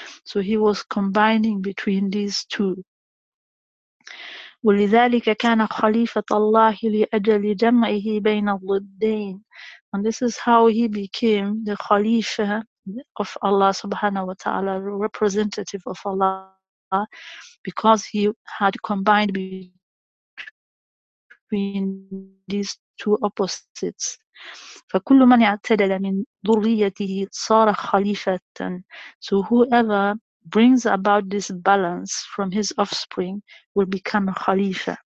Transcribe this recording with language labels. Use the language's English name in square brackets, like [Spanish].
[English] So he was combining between these two. [Arabic] ولذلك كان خليفة الله لأجل جمعه بين الضدين. [English] And this is how he became the Khalifa of Allah subhanahu wa ta'ala, representative of Allah, because he had combined between these two opposites. [Arabic] فكل من اعتدل من ذريته صار خليفة. [English] So whoever brings about this balance from his offspring will become a khalifa.